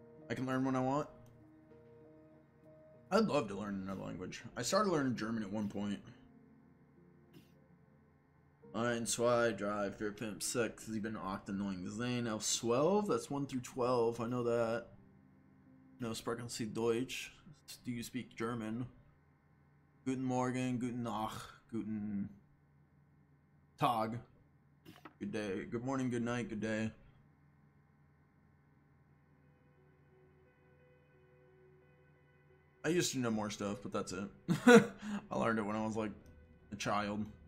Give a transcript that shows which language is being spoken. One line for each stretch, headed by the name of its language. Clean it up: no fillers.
English: I can learn when I want. I'd love to learn another language. I started learning German at one point.
German: Ein, zwei, drei, vier, fünf, sechs, sieben, acht, neun, zehn, elf, zwölf.
English: That's 1 through 12. I know that. No,
German: sprechen Sie Deutsch?
English: Do you speak German?
German: Guten Morgen, guten Nacht, guten Tag.
English: Good day. Good morning, good night, good day. I used to know more stuff, but that's it. I learned it when I was, like, a child.